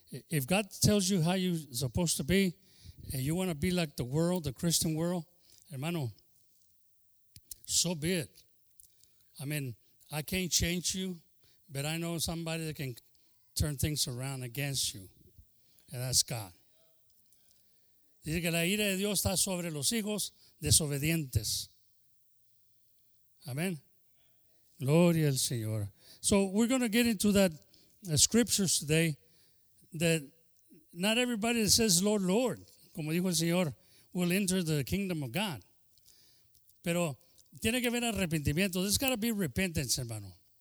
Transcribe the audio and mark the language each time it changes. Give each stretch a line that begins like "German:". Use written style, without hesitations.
English: If God tells you how you're supposed to be, and you want to be like the world, the Christian world, hermano, so be it. I mean, I can't change you, but I know somebody that can turn things around against you, and that's God.
Spanish: Dice que la ira de Dios está sobre los hijos desobedientes. Amen. Gloria al Señor.
English: So we're going to get into that scriptures today that not everybody that says Lord, Lord,
Spanish: como dijo el Señor,
English: will enter the kingdom of God.
Spanish: Pero tiene que haber arrepentimiento.
English: There's got to be repentance,
Spanish: hermano.